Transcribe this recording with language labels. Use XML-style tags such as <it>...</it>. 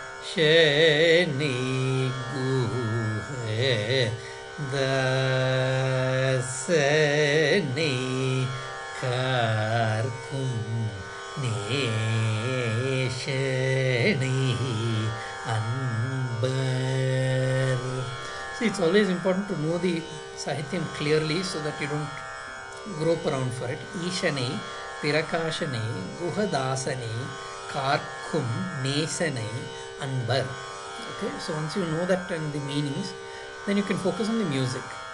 <ta>ஷனி குஹ தசனி கார்க்கும் நேஷனி அன்பர்.</ta> <en>See, it's always important to know the sahityam clearly so that you don't grope around for it.</en> <ta>Ishani பிரகாஷனை குஹதாசனை கார்க்கும் நேசனை அன்பர்.</ta> <en>Okay, so once you know that and the meanings then you can focus on the music.</en>